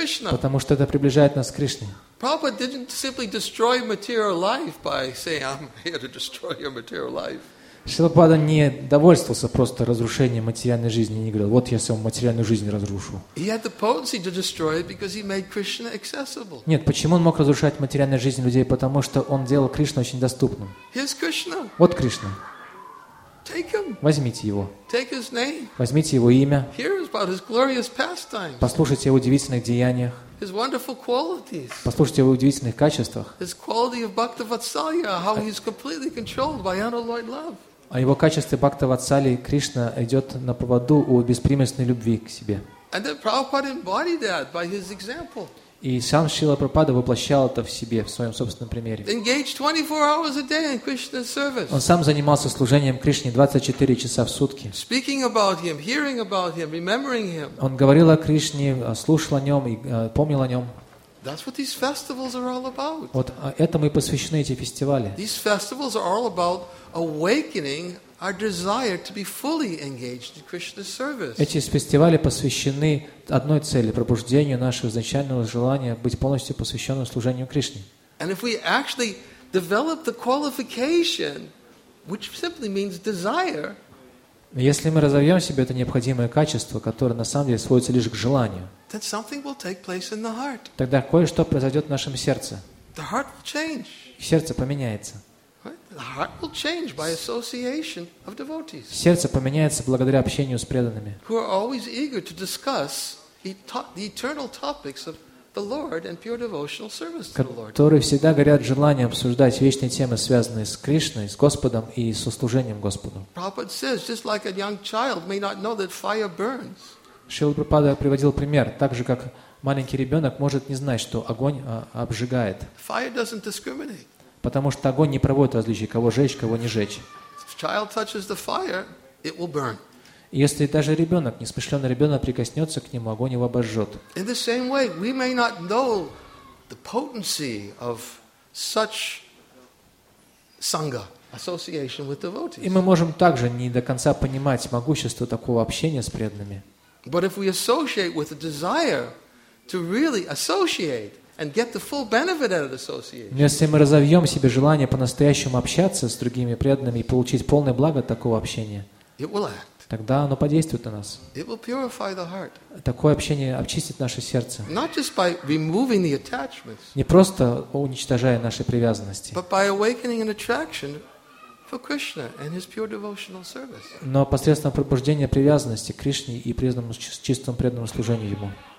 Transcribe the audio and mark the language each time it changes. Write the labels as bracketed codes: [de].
[ru] Потому что это приближает нас к Кришне. [en] Prabhupada didn't simply destroy material life by saying, "I'm here to destroy your material life." [ru] Шрила Прабхупада не довольствовался просто разрушением материальной жизни и не говорил, вот я свою материальную жизнь разрушу. [en] He had the potency to destroy it because he made Krishna accessible. [ru] Нет, почему он мог разрушать материальную жизнь людей? Потому что он делал Кришну очень доступным. [en] Here's Krishna. [ru] Вот Кришна. [en] Take him. [ru] Возьмите его. [en] Take his name. [ru] Возьмите его имя. [en] Hear about his glorious pastimes. [ru] Послушайте о его удивительных деяниях. [en] His wonderful qualities. [ru] Послушайте его удивительных качествах. [en] His quality of bhakta vatsalya, how he's completely controlled by unalloyed love. [ru] О его качестве бхакта ватсали, Кришна идет на поводу у беспримесной любви к себе. [en] And then Prabhupada embodied that by his example. [ru] И сам Шрила Прабхупада воплощал это в себе, в своем собственном примере. [en] Engaged 24 hours a day in Krishna's service. [ru] Он сам занимался служением Кришне 24 часа в сутки. [en] Speaking about him, hearing about him, remembering him. [ru] Он говорил о Кришне, слушал о нем и помнил о нем. [en] That's what these festivals are all about. [ru] Вот этому и посвящены эти фестивали. [en] These festivals are all about awakening our desire to be fully engaged in Krishna's service. [ru] Эти фестивали посвящены одной цели — пробуждению нашего изначального желания быть полностью посвященным служению Кришне. [en] And if we actually develop the qualification, which simply means desire. [ru] Если мы разовьем в себе это необходимое качество, которое на самом деле сводится лишь к желанию, [en] then something will take place in the heart. [ru] Тогда кое-что произойдет в нашем сердце. [en] The heart will change. [ru] Сердце поменяется. [en] The heart will change by association of devotees. [ru] Сердце поменяется благодаря общению с преданными. [en] Who are always eager to discuss the eternal topics of the Lord and pure devotional service to the Lord. [ru] Которые всегда горят желанием обсуждать вечные темы, связанные с Кришной, с Господом и со служением Господу. [en] Prabhupada says, just like a young child may not know that fire burns. [ru] Шрила Прабхупада приводил пример, так же как маленький ребенок может не знать, что огонь обжигает. [en] Fire doesn't discriminate. [ru] Потому что огонь не проводит различий, кого жечь, кого не жечь. [en] If child touches the fire, it will burn. [ru] Если даже ребенок, несмышленый ребенок, прикоснется к нему, огонь его обожжет. [en] In the same way, we may not know the potency of such sangha, association with devotees. [ru] И мы можем также не до конца понимать могущество такого общения с преданными. [en] But if we associate with a desire to really associate and get the full benefit out of association. [ru] Если мы разовьем себе желание по-настоящему общаться с другими преданными и получить полное благо от такого общения, [en] it will act. [ru] Тогда оно подействует на нас. [en] It will purify the heart. [ru] Такое общение очистит наше сердце. [en] Not just by removing the attachments. [ru] Не просто уничтожая наши привязанности. [en] But by awakening an attraction for Krishna and his pure devotional service. [ru] Но посредством пробуждения привязанности к Кришне и преданному чистому преданному служению ему.